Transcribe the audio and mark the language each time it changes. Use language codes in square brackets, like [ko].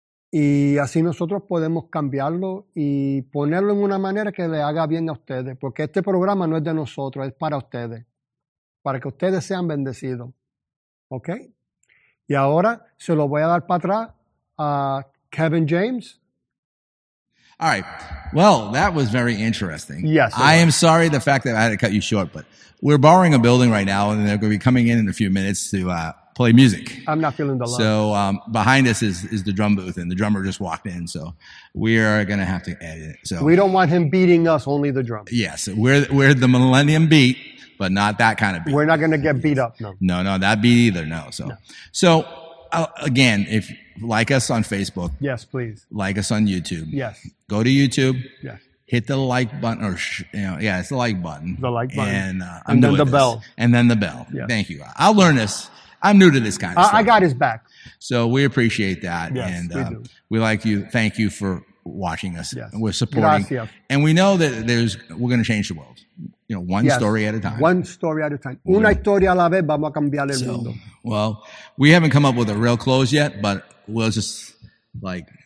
[es] Y así nosotros podemos cambiarlo y ponerlo en una manera que le haga bien a ustedes. Porque este programa no es de nosotros, es para ustedes. Para que ustedes sean bendecidos. ¿Ok? Y ahora se lo voy a dar para atrás a Kevin James. [en] All right. Well, that was very interesting. Yes. I am sorry the fact that I had to cut you short, but we're borrowing a building right now, and they're going to be coming in a few minutes to play music. I'm not feeling the love. So behind us is the drum booth, and the drummer just walked in. So we are going to have to edit. So we don't want him beating us, only the drum. Yes, we're the Millennium Beat, but not that kind of beat. We're not going to get beat up, no. No, that beat either, no. So, no. So again, if like us on Facebook. Yes, please. Like us on YouTube. Yes. Go to YouTube. Yes. Hit the like button, it's the like button. The like button. And, and then the bell. And then the bell. Yes. Thank you. I'll learn this. I'm new to this kind of stuff. I got his back. So we appreciate that. Yes, and we like you. Thank you for watching us. Yes. And we're supporting. [es] Gracias. [en] And we know that we're going to change the world. You know, one story at a time. One story at a time. [es] Una historia a la vez, vamos a cambiar el mundo. [en] Well, we haven't come up with a real close yet, but we'll just like...